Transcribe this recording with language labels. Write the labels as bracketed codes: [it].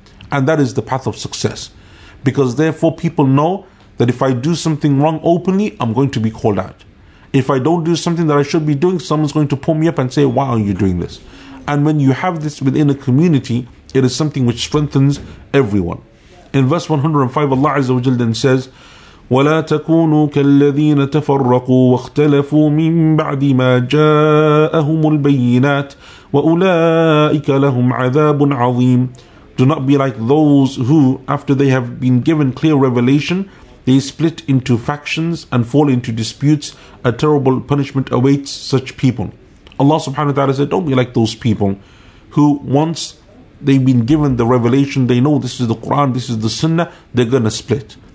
[en] And that is the path of success. Because therefore people know that if I do something wrong openly, I'm going to be called out. If I don't do something that I should be doing, someone's going to pull me up and say, why are you doing this? And when you have this within a community, it is something which strengthens everyone. [ar] In verse 105, Allah Azza wa Jalla says, وَلَا تَكُونُوا كَالَّذِينَ تَفَرَّقُوا وَاخْتَلَفُوا مِنْ بَعْدِ مَا جَاءَهُمُ الْبَيِّنَاتِ وَأُولَٰئِكَ لَهُمْ عَذَابٌ عَظِيمٌ. [en] Do not be like those who, after they have been given clear revelation, they split into factions and fall into disputes. A terrible punishment awaits such people. Allah subhanahu wa ta'ala said, don't be like those people who, once they've been given the revelation, they know this is the Quran, this is the Sunnah, they're going to split.